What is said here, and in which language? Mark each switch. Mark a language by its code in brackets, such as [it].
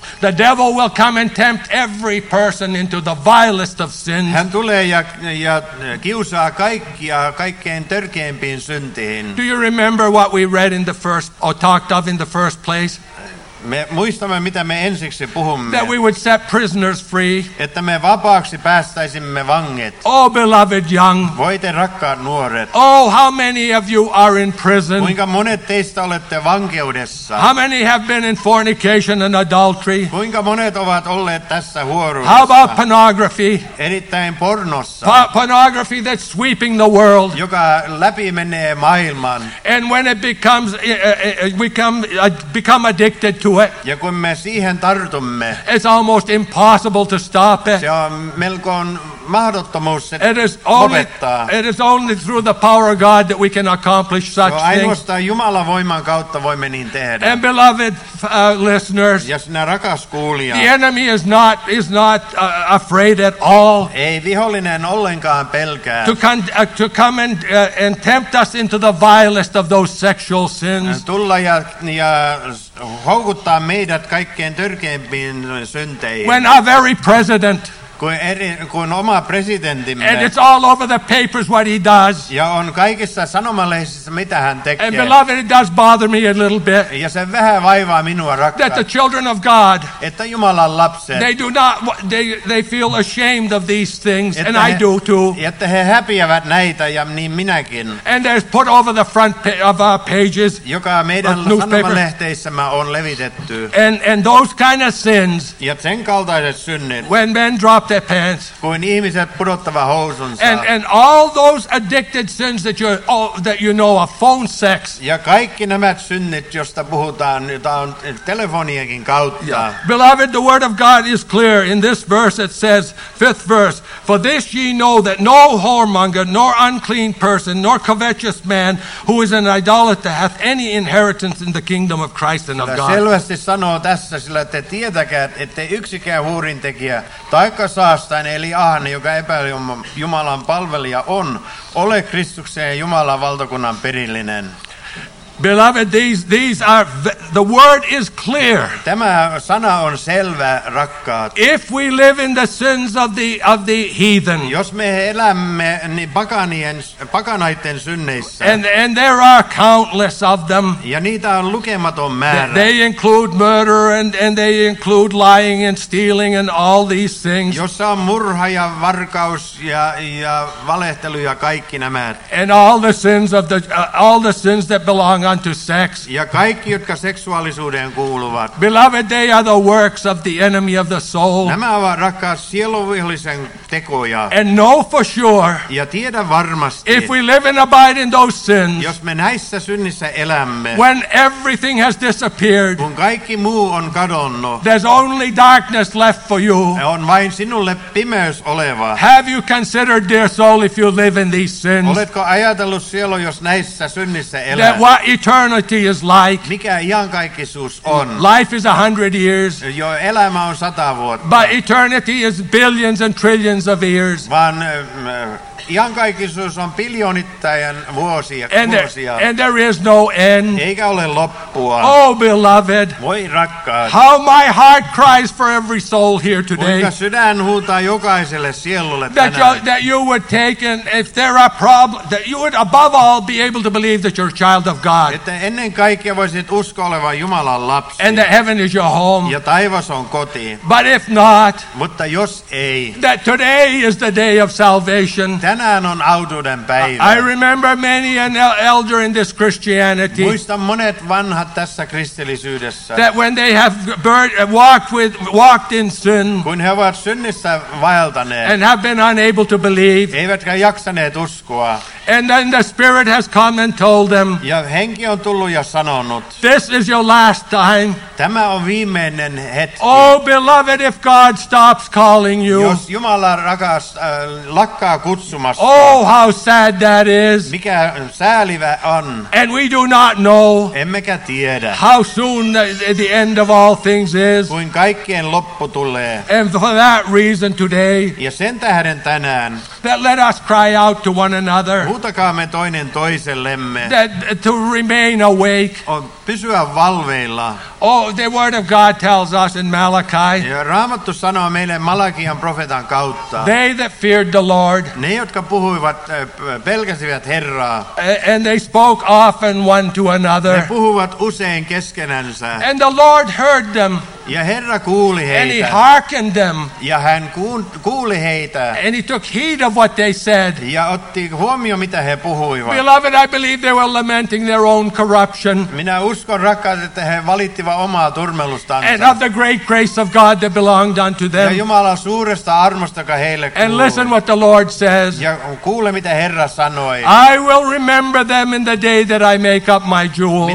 [en] The devil will come and tempt every person into the vilest of sins. [fi] Hän tulee ja kiusaa kaikkia kaikkein törkeimpiin syntiin. [en] Do you remember what we read in the first or talked of in the first place? [fi] Me muistamme, mitä me ensiksi puhumme. [en] That we would set prisoners free. [fi] Että me vapaaksi päästäisimme vangit. [en] Oh, beloved young. [fi] Voi te rakkaat nuoret. [en] Oh, how many of you are in prison? [fi] Kuinka monet teistä olette vankeudessa? [en] How many have been in fornication and adultery? [fi] Kuinka monet ovat olleet tässä huoruudessa? [en] How about pornography? [fi] Erittäin pornossa. [en] Pornography that's sweeping the world. [fi] Joka läpi menee maailman. [en] And when it becomes, we become addicted to it. [fi] Ja kun me siihen tartumme, [en] it's almost impossible to stop it. [fi] Se on melko mahdottomuus se lopettaa. [en] It is only through the power of God that we can accomplish such things. [fi] Ainoastaan Jumalan voiman kautta voimme niin tehdä. [en] And beloved listeners, [fi] ja sinä rakas kuulija, [en] the enemy is not afraid at all. [fi] Ei vihollinen ollenkaan pelkää. [en] To come and tempt us into the vilest of those sexual sins. [fi] Tulla ja houkuttaa meidät kaikkein törkeimpiin synteihin. [en] When our very president. [fi] Kun oma presidentimme. [en] And it's all over the papers what he does. [fi] Ja on kaikissa sanomalehdissä mitä hän tekee. [en] And beloved, it does bother me a little bit. [fi] Ja se vähän vaivaa minua, rakkaat. [en] That the children of God. [fi] Että Jumalan lapset. [en] They do not. They feel ashamed of these things, and I do too. [fi] Että he häpiävät näitä ja niin minäkin. [en] And there's put over the front of our pages. [fi] Joka meidän sanomalehteissämme on levitetty. [en] And those kind of sins. [fi] Ja sen kaltaiset synnit. [en] When men drop their pants. [fi] Kuin ihmiset pudottava housunsa. [en] And all those addicted sins that you know are phone sex. [fi] Ja kaikki nämä synnit, josta puhutaan, jota on telefoniakin kautta. [en] Yeah. Beloved, the word of God is clear. In this verse it says, fifth verse, for this ye know, that no whoremonger, nor unclean person, nor covetous man, who is an idolater, hath any inheritance in the kingdom of Christ and of God. [fi] Selvästi sanoo tässä, sillä te tietäkää, että yksikään huurintekijä tai saastain, eli ahne, joka epäili Jumalan palvelija on, ole Kristuksen ja Jumalan valtakunnan perillinen. [en] Beloved, these are the word is clear. [fi] Tämä sana on selvä, rakkaat. [en] If we live in the sins of the heathen. [fi] Jos me elämme niin pakanaiden synneissä. [en] And there are countless of them. [fi] Ja niitä on lukematon määrä. [en] They include murder and they include lying and stealing and all these things. [fi] Jossa on murha ja varkaus ja valehtelu ja kaikki nämä. [en] And all the sins of the all the sins that belong unto sex. [fi] Ja kaikki, jotka seksuaalisuuteen kuuluvat. [en] Beloved, they are the works of the enemy of the soul. [fi] Nämä ovat, rakkaat, sieluvihollisen tekoja. [en] And know for sure. [fi] Ja tiedä varmasti. [en] If we live and abide in those sins. [fi] Jos me näissä synnissä elämme. [en] When everything has disappeared. [fi] Kun kaikki muu on kadonnut. [en] There's only darkness left for you. [fi] On vain sinulle pimeys oleva. [en] Have you considered, dear soul, if you live in these sins? [fi] Oletko ajatellut, sielu, jos näissä synnissä elät? [en] That what eternity is like. [fi] Mikä iankaikkisuus on? [en] Life is 100 years. [fi] Jo elämä on 100 vuotta. [en] But eternity is billions and trillions of years. [fi] Vaan iankaikkisuus on biljoonittain vuosia. [en] And there is no end. [fi] Eikä ole loppua. [en] Oh, beloved. [fi] Voi rakkaat. [en] How my heart cries for every soul here today. [fi] Kuinka sydän huutaa jokaiselle sielulle tänään. [en] That you would take, and if there are problems, that you would above all be able to believe that you're a child of God. [fi] Että ennen kaikkea voisit usko olevan Jumalan lapsi. [en] And that heaven is your home. [fi] Ja taivas on koti. [en] But if not. [fi] Mutta jos ei. [en] That today is the day of salvation. [fi] Tänään on autuuden päivä. [en] I remember many an elder in this Christianity. [fi] Muistan monet vanhat tässä kristillisyydessä. [en] That when they have walked in sin. [fi] Kun he ovat synnissä vaeltaneet. [en] And have been unable to believe. [fi] Eivätkä jaksaneet uskoa. [en] And then the Spirit has come and told them. [fi] Ja henki on tullut ja sanonut. [en] This is your last time. [fi] Tämä on viimeinen hetki. [en] Oh, beloved, if God stops calling you. [fi] Jos Jumala rakas lakkaa kutsumasta. [en] Oh, how sad that is. [fi] Mikä säälivä on. [en] And we do not know. [fi] Emmekä tiedä. [en] How soon the end of all things is. [fi] Kuin kaikkien loppu tulee. [en] And for that reason today. [fi] Ja sen tähden tänään. [en] That let us cry out to one another. [fi] Huutakaamme toinen toisellemme. [en] That to remain awake. [fi] Pysyä valveilla. [en] Oh, the word of God tells us in Malachi. [fi] Ja Raamattu sanoo meille Malakian profeetan kautta. [en] They that feared the Lord. [fi] Ne, jotka puhuivat, pelkäsivät Herraa. [en] And they spoke often one to another. [fi] Ne puhuvat usein keskenänsä. [en] And the Lord heard them. [fi] Ja Herra kuuli heitä. [en] And he hearkened them. [fi] Ja hän kuuli heitä. [en] And he took heed of what they said. [fi] Ja otti huomio, mitä he puhuivat. [en] Beloved, I believe they were lamenting their own corruption. [fi] Minä uskon, rakkaat, että he valittivat omaa turmelustansa. [en] And of the great grace of God that belonged unto them. [fi] Ja Jumalan suuresta armosta, joka heille kuului. [en] And listen what the Lord says. [fi] Ja kuule, mitä Herra sanoi. [en] I will remember them in the day that I make up my jewels.